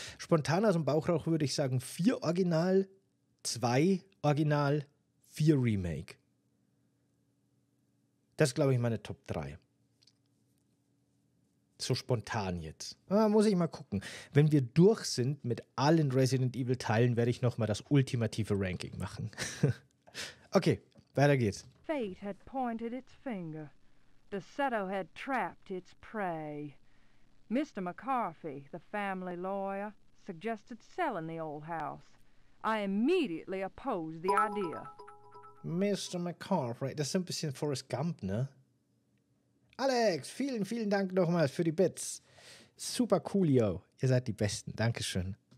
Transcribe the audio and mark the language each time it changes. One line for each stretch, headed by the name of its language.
German: Spontan aus dem Bauch raus würde ich sagen, 4 Original, 2 Original, 4 Remake. Das ist, glaube ich, meine Top 3. so spontan jetzt. Na, muss ich mal gucken. Wenn wir durch sind mit allen Resident Evil Teilen, werde ich nochmal das ultimative Ranking machen. Okay, weiter geht's.
English: Fate had pointed its finger. The Seto had trapped its prey. Mr. McCarthy, the family lawyer, suggested selling the old house. I immediately opposed the idea. Mr.
German: McCarthy, das ist ein bisschen Forrest Gump, ne? Alex, vielen, vielen Dank nochmals für die Bits. Super coolio, ihr seid die Besten, dankeschön.